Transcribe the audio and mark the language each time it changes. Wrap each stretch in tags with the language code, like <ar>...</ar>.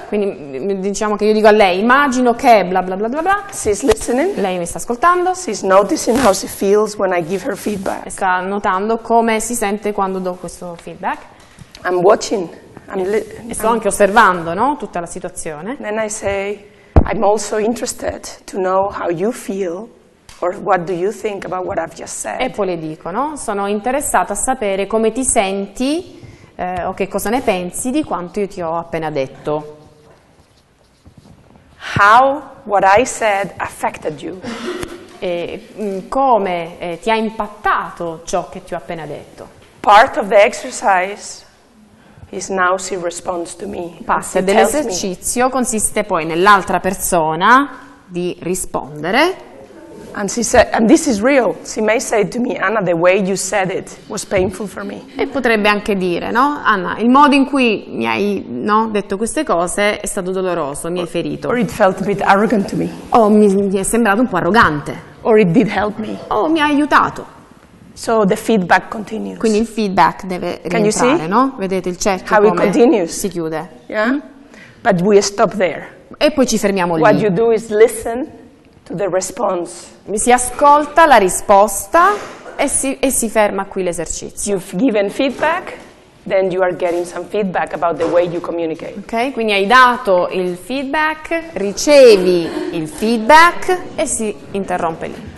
<it>Quindi diciamo che io dico a lei, immagino che blah blah blah blah blah.</it> <en>She's listening.</en> <it>Lei mi sta ascoltando.</it> <en>She's noticing how she feels when I give her feedback.</en> <it>E sta notando come si sente quando do questo feedback.</it> <en>I'm watching.</en> <it>Sto anche osservando, no? Tutta la situazione.</it> <en>Then I say, I'm also interested to know how you feel. Or what do you think about what I've just said?</en> <it>E poi le dico, no? Sono interessata a sapere come ti senti o che cosa ne pensi di quanto io ti ho appena detto.</it> <en>How what I said affected you?</en> <it>E come ti ha impattato ciò che ti ho appena detto?</it> <en>Part of the exercise is now she responds to me.</en> <it>Parte dell'esercizio consiste poi nell'altra persona di rispondere.</it> <en>And she said, and this is real. She may say to me, Anna, the way you said it was painful for me.</en> <it>E potrebbe anche dire, no? Anna, il modo in cui mi hai, no, detto queste cose è stato doloroso, mi hai ferito.</it> <en>Or it felt a bit arrogant to me.</en> <it>O mi è sembrato un po' arrogante.</it> <en>Or it did help me.</en> <it>O mi ha aiutato.</it> <en>So the feedback continues.</en> <it>Quindi il feedback deve</it> <en>Can</en> <it>rientrare,</it> <en>you see?</en> <it>No? Vedete il cerchio</it> <en>How</en> <it>come</it> <en>it continues.</en> <it>Si chiude.</it> <en>Yeah? But we stop there.</en> <it>E poi ci fermiamo lì.</it> <en>What you do is listen. The response.</en> <it>Mi si ascolta la risposta e si ferma qui l'esercizio.</it> <en>You've given feedback. then you are getting some feedback about the way you communicate.</en> <it>Ok, quindi hai dato il feedback, ricevi il feedback e si interrompe lì.</it>